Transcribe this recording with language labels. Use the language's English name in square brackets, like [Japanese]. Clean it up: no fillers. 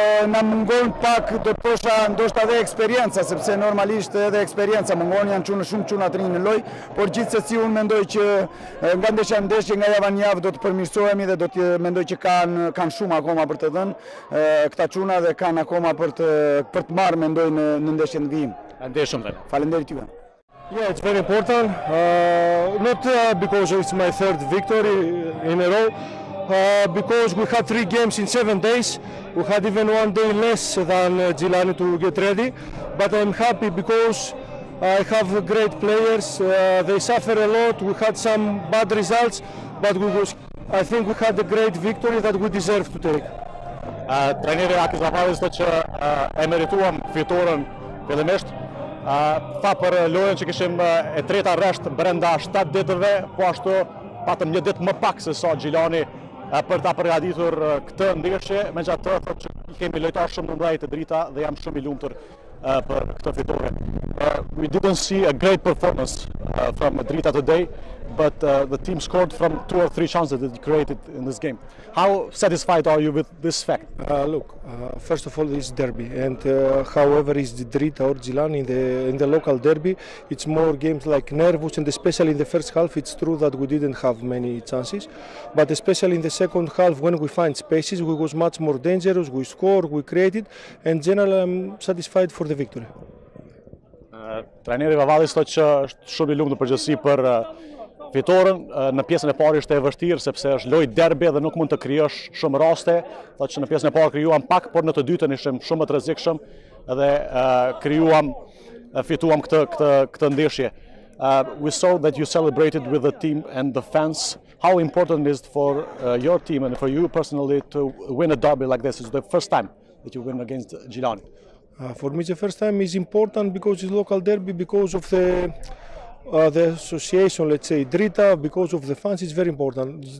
[Albanian] Na mungon pak do të thosha ndoshta edhe eksperjenca, sepse normalisht edhe eksperjenca mungon, janë çunë shumë çuna të rinj në lojë, por gjithsesi unë mendoj që nga ndeshja në ndeshje nga java në javë do të përmirësohemi dhe do të mendoj që kanë shumë akoma për të dhënë këta çuna dhe kanë akoma për të marrë mendoj në ndeshjen e vim. Falëndeshëm tani. Faleminderit ju. [English] Yeah, it's very important. Not because it's my third victory in a row, because we had three games in 7 days. We had even one day less than Gjilani to get ready. But I'm happy because I have great players. They suffer a lot. We had some bad results, but I think we had a great victory that we deserve to take. [Albanian] Trajneri Akis Lafaris thotë që e merituam fitoren fillimisht. Tha për lojën që kishim e treta rresht brenda 7 ditëve, po ashtu patëm një ditë më pak se sa Gjilani për ta përgatitur këtë ndeshje, megjithatë thotë që kemi lojtarë shumë të mbrojtë të drita dhe jam shumë i lumtur për këtë fitore. [English] We didn't see a great performance from Drita today, but the team scored from 2 or 3 chances that it created in this game. How satisfied are you with this fact? First of all, it's derby, and however is Drita or Gjilani in the local derby, it's more games like nervous, and especially in the first half, it's true that we didn't have many chances, but especially in the second half, when we find spaces, we was much more dangerous, we score, we created, and generally I'm satisfied for the victory. [Albanian] Trajneri Vavallis thotë që është shumë i lumtur përgjithësi për fitoren. Në pjesën e parë ishte e vështirë sepse është lojë derbi dhe nuk mund të krijosh shumë raste. Thotë që në pjesën e parë krijuam pak, por në të dytën ishim shumë të rrezikshëm dhe fituam këtë ndeshje. [English] We saw that you celebrated with the team and the fans. How important is it for your team and for you personally to win a derby like this? It's the first time that you win against Gjilani. For me, the first time is important because it's local derby, because of the association, let's say Drita, because of the fans, it's very important.